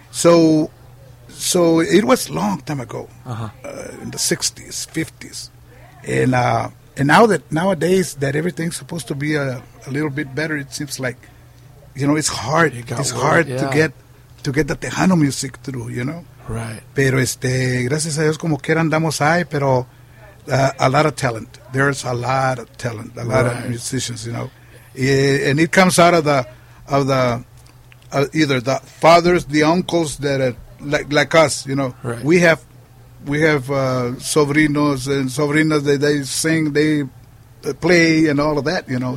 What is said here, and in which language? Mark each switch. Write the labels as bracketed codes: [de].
[en] So it was a long time ago, in the 60s, 50s. And nowadays that everything's supposed to be a little bit better, it seems like, you know, it's hard to get the Tejano music through, you know? Right. [es] Pero gracias a Dios como quiera andamos ahí, pero [en] a lot of talent. There's a lot of talent, a lot of musicians, you know? And it comes out of either the fathers, the uncles that are, Like us, you know, right. we have sobrinos and sobrinas that they sing, they play and all of that, you know.